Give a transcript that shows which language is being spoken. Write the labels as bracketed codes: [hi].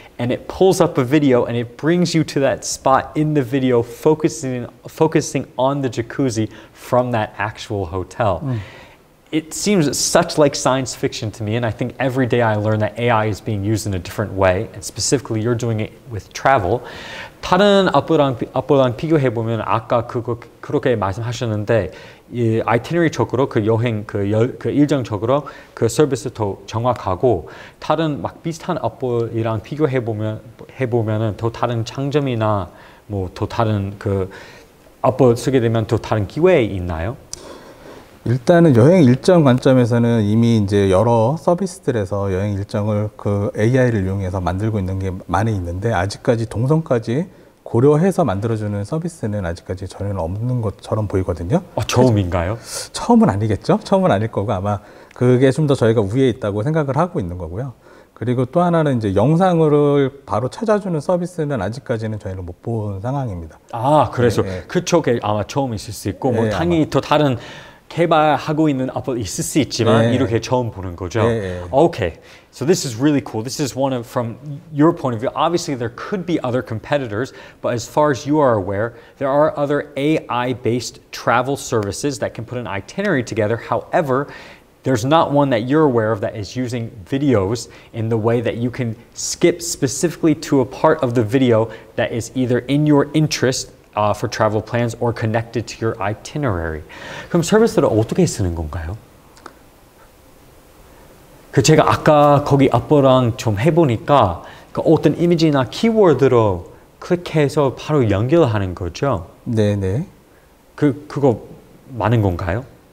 [en] and it pulls up a video and it brings you to that spot in the video focusing on the jacuzzi from that actual hotel. Mm. It seems such like science fiction to me, and I think every day I learn that AI is being used in a different way, and specifically you're doing it with travel. [ko] 다른 어플랑 비교해 보면 아까 그렇게 말씀하셨는데 이 아이테너리적으로 그 여행 그 일정적으로 그 서비스 더 정확하고 다른 막 비슷한 어플이랑 비교해 보면 해보면은 더 다른 장점이나 뭐 더 다른 그 어플 쓰게 되면 더 다른 기회 있나요? 일단은 여행 일정 관점에서는 이미 이제 여러 서비스들에서 여행 일정을 그 AI를 이용해서 만들고 있는 게 많이 있는데 아직까지 동선까지 고려해서 만들어주는 서비스는 아직까지 전혀 없는 것처럼 보이거든요. 처음인가요? 처음은 아니겠죠. 처음은 아닐 거고 아마 그게 좀 더 저희가 위에 있다고 생각을 하고 있는 거고요. 그리고 또 하나는 이제 영상을 바로 찾아주는 서비스는 아직까지는 저희는 못 본 상황입니다. 아, 그래서 네, 그쪽에 아마 처음이실 수 있고 네, 뭐 당연히 아마. 또 다른 개발하고 있는 어플 있을 수 있지만 네. 이렇게 처음 보는 거죠. 네, 네. [en] Okay, so this is really cool. This is one of, from your point of view, obviously there could be other competitors, but as far as you are aware, there are other AI-based travel services that can put an itinerary together. However, there's not one that you're aware of that is using videos in the way that you can skip specifically to a part of the video that is either in your interest for travel plans or connected to your itinerary. [ko] 그럼 서비스를 어떻게 쓰는 건가요? 그 제가 아까 거기 앞으로랑 좀 해보니까 그 어떤 이미지나 키워드로 클릭해서 바로 연결하는 거죠? 네네. 그거 맞는 건가요?